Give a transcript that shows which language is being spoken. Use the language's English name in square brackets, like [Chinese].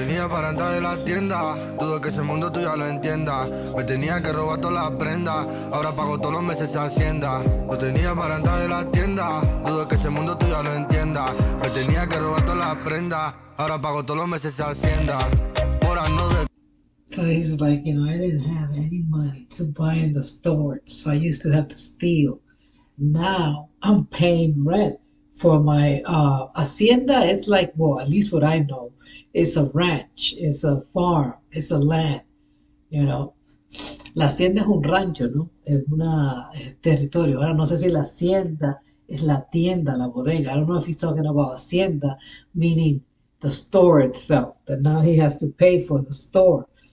[Spanish] Para entrar de la tienda, dudo que ese mundo tú ya lo entienda. Me tenía que robar todas las prendas, ahora pago todos los meses a Hacienda. No tenía para entrar de la tienda, dudo que ese mundo tú ya lo entienda. Me tenía que robar todas las prendas, ahora pago todos los meses a Hacienda. Por ano de. [English] So he's like, you know, I didn't have any money to buy in the store, so I used to have to steal. Now I'm paying rent. For my hacienda, it's like, well, at least what I know, it's a ranch, it's a farm, it's a land, you know. [Spanish] La hacienda es un rancho, ¿no? Es un territorio. Ahora, no sé si la hacienda es la tienda, la bodega. [English] I don't know if he's talking about hacienda, meaning the store itself, that now he has to pay for the store.